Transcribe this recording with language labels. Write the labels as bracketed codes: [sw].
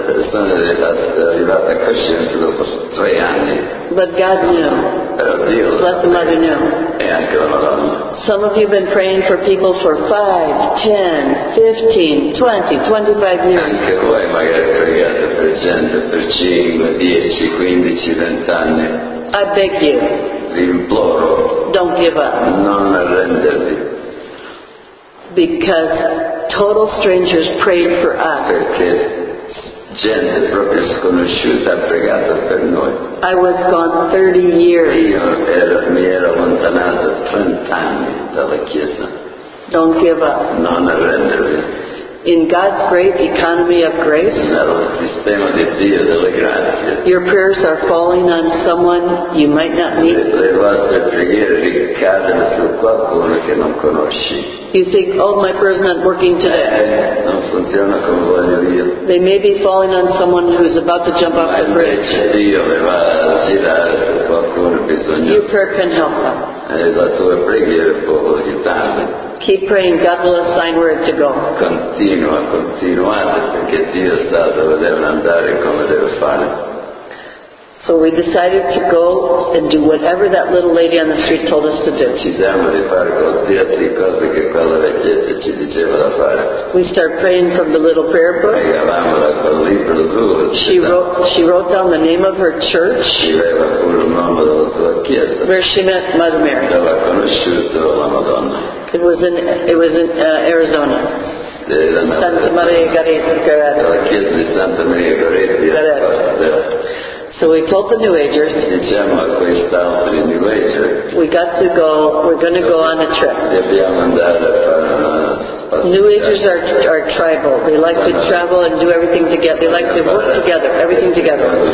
[it] Sono arrivata a coscienza dopo tre anni. [en] But God knew. [it] Però Dio. [en] But the mother knew. [it] E anche la Madonna. [en] Some of you have been praying for people for 5, 10, 15, 20, 25 years. [it] Anche voi magari pregate per gente per 5, 10, 15, 20 anni. [en] I beg you. [it] Vi imploro. [en] Don't give up. [it] Non arrendervi. [en] Because total strangers prayed for us. [it] Perché gente proprio sconosciuta ha pregato per noi. [en] I was gone 30 years. [it] Io mi ero allontanato 30 anni dalla chiesa. [en] Don't give up. [it] Non arrendervi. [en] In God's great economy of grace, [it] sistema di Dio delle grazie, [en] your prayers are falling on someone you might not meet. [it] Le vostre preghiere ricadono su qualcuno che non conosci. [en] You think, oh, my prayer's not working today. [it] Non funziona come voglio io. [en] They may be falling on someone who's about to jump off the bridge. [it] Dio le va a girare su qualcuno bisognoso. [en] Your prayer can help them. [it] La tua preghiera può aiutarli. [en] Keep praying, God will assign where to go. [it] Continua, continuate, perché Dio sa dove deve andare e come deve fare. [en] So we decided to go and do whatever that little lady on the street told us to do. [it] Ci siamo di fare qualsiasi cosa che quella vecchietta ci diceva da fare. [en] We start praying from the little prayer book. [it] Pregavamo da quel libro azzurro. [en] She wrote down the name of her church. [it] Scriveva pure il nome della sua chiesa. [en] Where she met Mother Mary. [it] Dove ha conosciuto la Madonna. [en] It was in Arizona. Santa Maria Goretti. [it] La chiesa di Santa Maria Goretti. [en] So we told the New Agers. [it] Diciamo a quest'altro New Ager. [en] We got to go. We're going to go on a trip. [it] Dobbiamo andare a fare una [en] New Agers are tribal. They like to travel and do everything together. They like to work together, everything together.